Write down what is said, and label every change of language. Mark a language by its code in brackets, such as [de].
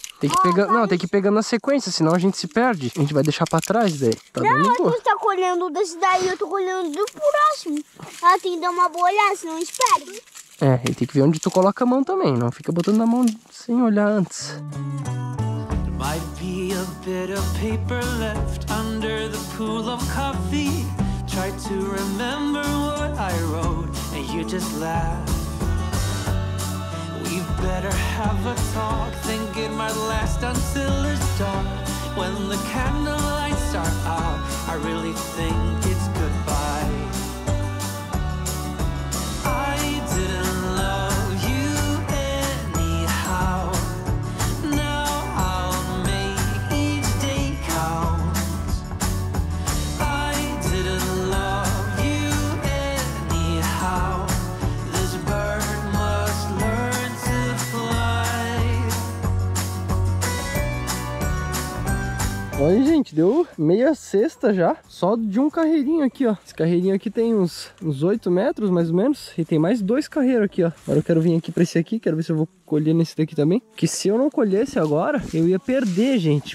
[pt] Tem que pegar... Não, tem que ir pegando na sequência, senão a gente se perde. A gente vai deixar pra trás daí. Tá não, dando boa. Não, tu tá colhendo desse daí, eu tô colhendo do próximo. Ela tem que dar uma boa olhada, senão espere. É, e tem que ver onde tu coloca a mão também. Não fica botando a mão sem olhar antes. [en] Might be a bit of paper left under the pool of coffee. Try to remember what I wrote, and you just laugh. We better have a talk, think it might last until it's dark. When the candle lights are out, I really think it's goodbye. I didn't love you anyhow. Now I'll make each day count. I didn't love you anyhow. This bird must learn to fly. [pt] Oi, gente, deu meia cesta já. Só de um carreirinho aqui, ó. Esse carreirinho aqui tem uns 8 metros, mais ou menos. E tem mais dois carreiros aqui, ó. Agora eu quero vir aqui pra esse aqui. Quero ver se eu vou colher nesse daqui também. Que se eu não colhesse agora, eu ia perder, gente.